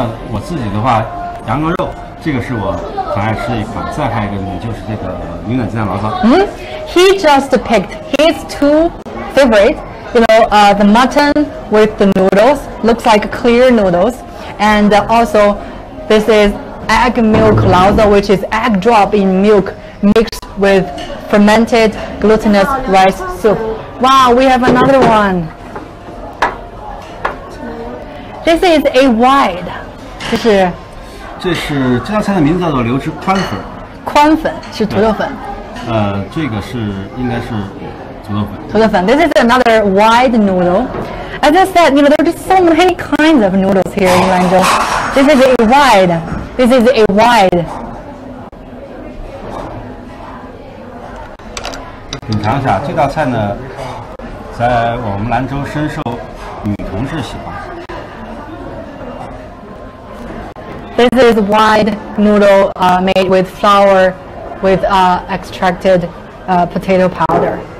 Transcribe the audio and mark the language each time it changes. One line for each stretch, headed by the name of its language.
Chinese: 我自己的话，羊羔肉，这个是我很爱吃的一款。再还有一个呢，就是这个牛奶鸡蛋醪糟。
English: He just picked his two favorites. You know, the mutton with the noodles looks like clear noodles. And also, this is egg milk laozi, which is egg drop in milk mixed with fermented glutinous rice soup. Wow, we have another one. This is a white.
Chinese: 这是这道菜的名字叫做流汁宽粉。宽粉是土豆粉。这个是应该是。
English: 土豆粉.This is another white noodle. As I said, you know, there are just so many kinds of noodles here in Lanzhou. This is a white.
Chinese: 品尝一下这道菜呢，在我们兰州深受女同事喜欢。
English: This is white noodle made with flour with extracted potato powder.